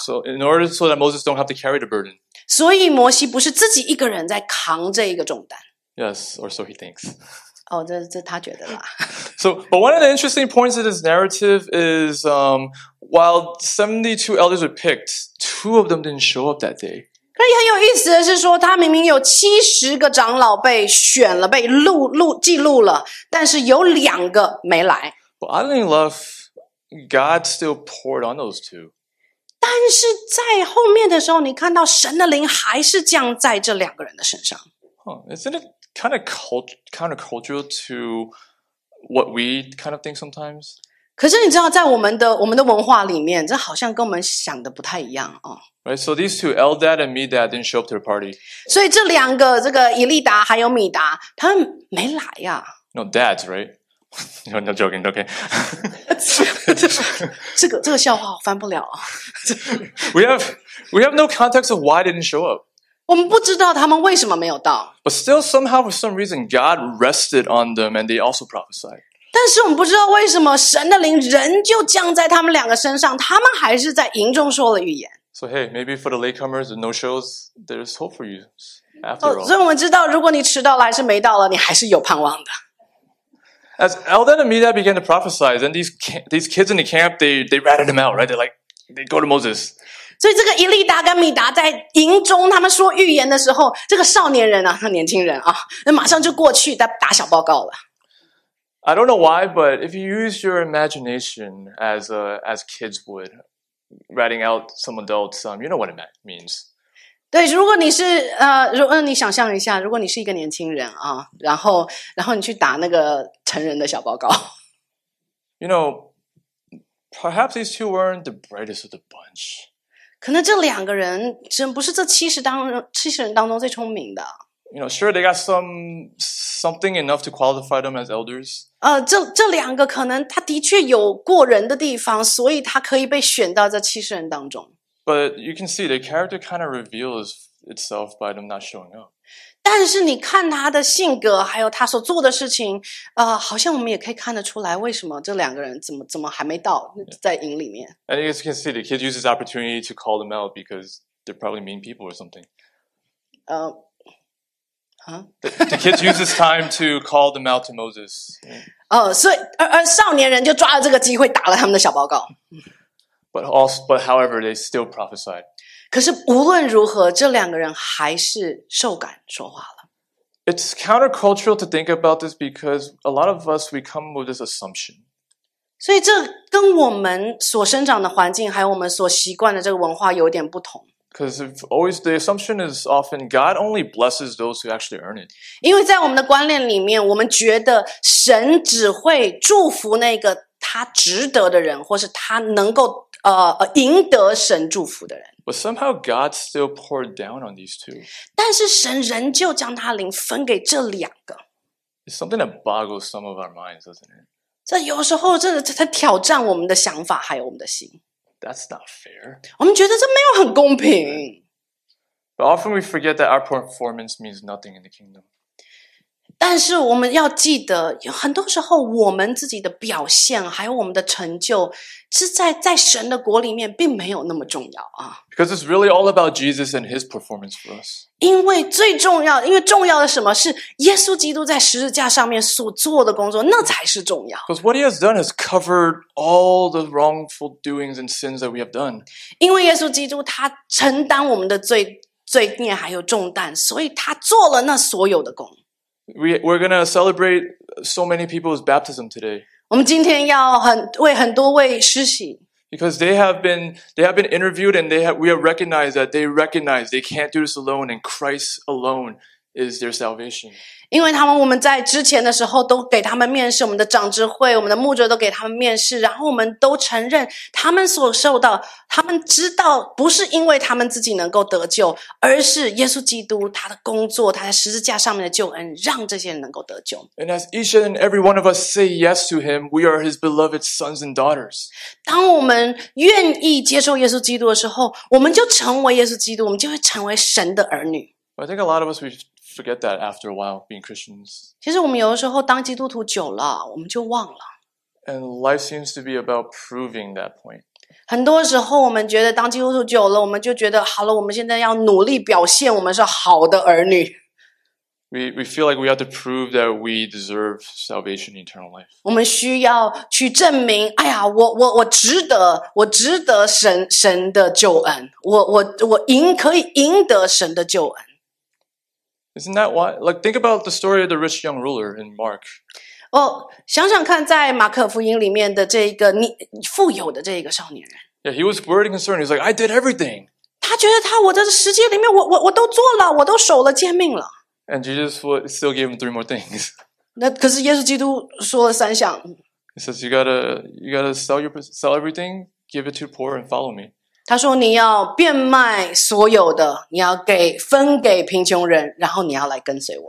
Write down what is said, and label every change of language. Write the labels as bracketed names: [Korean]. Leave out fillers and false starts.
[English] Yeah, so in order so that Moses don't have to carry the burden. [Chinese] 所以摩西不是自己一个人在扛这一个重担。 [English] Yes, or so he thinks. [Chinese] 哦，这他觉得啦。 [English] So, but one of the interesting points of this narrative is, while 72 elders were picked, two of them didn't show up that day. [Chinese] 那也很有意思的是说，他明明有七十个长老被选了，被记录了，但是有两个没来。 [English] But other than love, God still poured on those two. [Chinese] 但是在后面的时候，你看到神的灵还是降在这两个人的身上。 [English] Huh, isn't it kind of countercultural to what we kind of think sometimes? [Chinese] 可是你知道，在我们的文化里面，这好像跟我们想的不太一样啊。 [English] Right, so these two, Eldad and Medad, didn't show up to the party. [Chinese] 所以这两个，这个以利达还有米达，他们没来呀。 [English] No, dads, right? No, no joking, okay. [Chinese] 这个笑话我翻不了。 [English] We have no context of why they didn't show up. [Chinese] 我们不知道他们为什么没有到。 [English] But still, somehow, for some reason, God rested on them and they also prophesied. [Chinese] 但是我们不知道为什么神的灵仍旧降在他们两个身上，他们还是在营中说了预言。 [English] So hey, maybe for the latecomers and no-shows, there's hope for you after all. [Chinese] 所以我们知道，如果你迟到了还是没到了，你还是有盼望的。 [English] As Eldad and Medad began to prophesy, then these kids in the camp, they ratted them out, right? They're like, they go to Moses. [Chinese] 所以这个以利达跟米达在营中他们说预言的时候，这个少年人啊，那年轻人啊，那马上就过去打小报告了。 [English] I don't know why, but if you use your imagination as kids would, writing out some adults, you know what it means. [Chinese] 对，如果你是你想象一下，如果你是一个年轻人啊，然后你去打那个成人的小报告。 [English] You know, perhaps these two weren't the brightest of the bunch. [Chinese] 可能这两个人真不是这七十人当中最聪明的。 [English] You know, sure, they got something enough to qualify them as elders. [Chinese] 这两个可能他的确有过人的地方，所以他可以被选到这七十人当中。 [English] But you can see their character kind of reveals itself by them not showing up. [Chinese] 但是你看他的性格，还有他所做的事情，好像我们也可以看得出来，为什么这两个人怎么还没到在营里面。 [English] And as you can see, the kids use this opportunity to call them out because they're probably mean people or something. The kids use this time to call them out to Moses. Oh, so, [Chinese] 少年人就抓了这个机会打了他们的小报告。 [English] But however, they still prophesied. [Chinese] 可是无论如何，这两个人还是受感说话了。 [English] It's countercultural to think about this because a lot of us, we come with this assumption. [Chinese] 所以这跟我们所生长的环境还有我们所习惯的这个文化有点不同。 [English] Because always the assumption is often God only blesses those who actually earn it. [Chinese] 因为在我们的观念里面，我们觉得神只会祝福那个他值得的人，或是他能够赢得神祝福的人。 [English] But somehow God still poured down on these two. [Chinese] 但是神仍旧将他灵分给这两个。 [English] It's something that boggles some of our minds, doesn't it? [Chinese] 这有时候真的它挑战我们的想法还有我们的心。 [English] That's not fair. [Chinese] 我们觉得这没有很公平。 [English] But often we forget that our performance means nothing in the kingdom. [Chinese] 但是我们要记得，很多时候我们自己的表现还有我们的成就，是在神的国里面并没有那么重要啊。 [English] Because it's really all about Jesus and His performance for us. [Chinese] 因为最重要，因为重要的什么是耶稣基督在十字架上面所做的工作，那才是重要。 [English] Because what He has done has covered all the wrongful doings and sins that we have done. [Chinese] 因为耶稣基督他承担我们的罪。罪孽还有重担，所以他做了那所有的工。 [English] We're gonna celebrate so many people's baptism today. [Chinese] 我们今天要为很多位施洗。 [English] Because they have been interviewed and we have recognized that they recognize they can't do this alone and Christ alone is their salvation. [Chinese] 因为他们我们在之前的时候都给他们面试，我们的长执会、我们的牧者都给他们面试，然后我们都承认他们所受到。他们知道不是因为他们自己能够得救，而是耶稣基督他的工作，他在十字架上面的救恩，让这些人能够得救。 [English] And as each and every one of us say yes to Him, we are His beloved sons and daughters. [Chinese] 当我们愿意接受耶稣基督的时候，我们就成为耶稣基督，我们就会成为神的儿女。 [English] I think a lot of us we forget that after a while being Christians. [Chinese] 其实我们有的时候当基督徒久了，我们就忘了。 [English] And life seems to be about proving that point. [Chinese] 很多时候我们觉得当基督徒久了我们就觉得好了我们现在要努力表现我们是好的儿女。 [English] We feel like we have to prove that we deserve salvation and eternal life. [Chinese] 我们需要去证明哎呀我值得神的救恩。我可以赢得神的救恩。 [English] Isn't that why? Like think about the story of the rich young ruler in Mark. [Chinese] 哦、oh, ，想想看，在马可福音里面的这个富有的这个少年人。 [English] Yeah, he was worried and concerned. He's like, I did everything. [Chinese] 他觉得他我在十诫里面我都做了，我都守了诫命了。 [English] And Jesus would still give him three more things. [Chinese] 那可是耶稣基督说了三项。 [English] He says, you gotta sell everything, give it to the poor, and follow me. [Chinese] 他说你要变卖所有的，你要分给贫穷人，然后你要来跟随我。